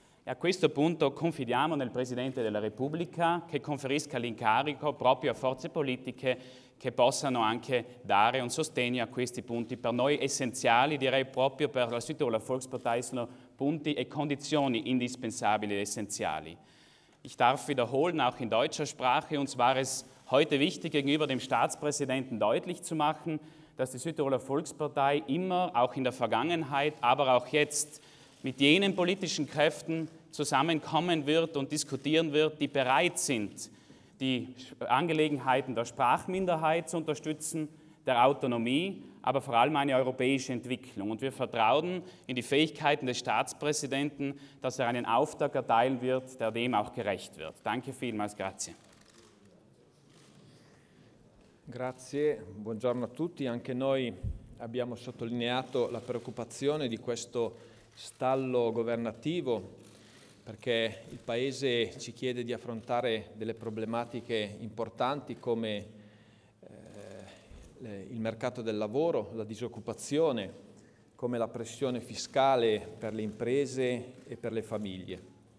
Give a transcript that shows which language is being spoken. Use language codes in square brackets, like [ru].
[it] E a questo punto confidiamo nel Presidente della Repubblica che conferisca l'incarico proprio a forze politiche che possano anche dare un sostegno a questi punti per noi essenziali, direi proprio per la Südtiroler Volkspartei, sono punti e condizioni indispensabili ed essenziali. [de] Ich darf wiederholen, auch in deutscher Sprache, uns war es heute wichtig, gegenüber dem Staatspräsidenten deutlich zu machen, dass die Südtiroler Volkspartei immer, auch in der Vergangenheit, aber auch jetzt, mit jenen politischen Kräften zusammenkommen wird und diskutieren wird, die bereit sind, die Angelegenheiten der Sprachminderheit zu unterstützen, der Autonomie, aber vor allem eine europäische Entwicklung. Und wir vertrauen in die Fähigkeiten des Staatspräsidenten, dass er einen Auftrag erteilen wird, der dem auch gerecht wird. Danke vielmals, [it] grazie. Grazie, buongiorno a tutti. Anche noi abbiamo sottolineato la preoccupazione di questo stallo governativo, perché il Paese ci chiede di affrontare delle problematiche importanti come il mercato del lavoro, la disoccupazione, come la pressione fiscale per le imprese e per le famiglie.